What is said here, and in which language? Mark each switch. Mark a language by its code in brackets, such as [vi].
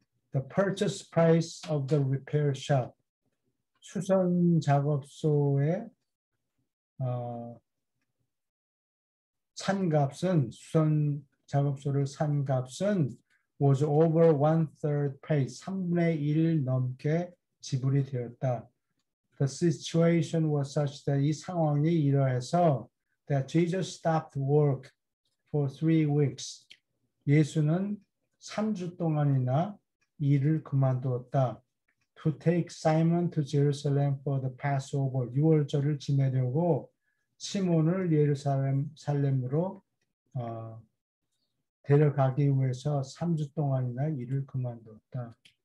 [en] The purchase price of the repair shop. [ko] 수선 작업소의 산 값은 [en] 수선 작업소를 산 값은 was over one third paid. [ko] 3분의 1 넘게 지불이 되었다. [en] The situation was such that [ko] 이 상황이 이러해서 [en] that Jesus stopped work for 3 weeks. [ko] 예수는 3주 동안이나 일을 그만두었다. [en] To take Simon to Jerusalem for the Passover. [ko] 유월절을 지내려고 시몬을 예루살렘으로 데려가기 위해서 3주 동안이나 일을 그만두었다.